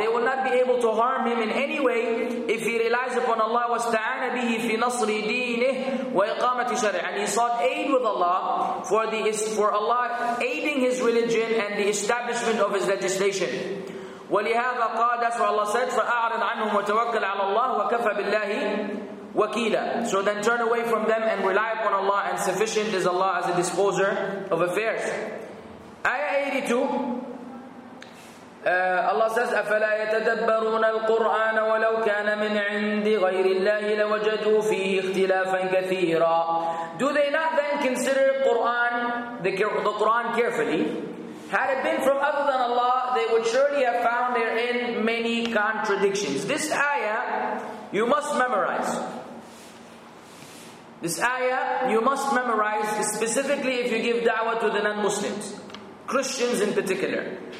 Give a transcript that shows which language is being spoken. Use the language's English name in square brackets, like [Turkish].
[English] They will not be able to harm him in any way if he relies upon Allah. [Arabic] وَاسْتَعَانَ بِهِ فِي نَصْرِ دِينِهِ وَإِقَامَةِ شَرِعِهِ. [English] And he sought aid with Allah for Allah aiding his religion and the establishment of his legislation. [Arabic] ولهذا قال, [English] that's what Allah said, [Arabic] فأعرض عنهم وتوكل على الله وكفى بالله وكيلا. [English] So then turn away from them and rely upon Allah, and sufficient is Allah as a disposer of affairs. Ayah 82, Allah says, [Arabic] أفلا يتدبرون القرآن ولو كان من عند غير الله لوجدوا فيه اختلافا كثيرا. [English] Do they not then consider Quran, the Quran carefully? Had it been from other than Allah, they would surely have found therein many contradictions. This ayah, you must memorize. This ayah, you must memorize, specifically if you give da'wah to the non-Muslims, Christians in particular.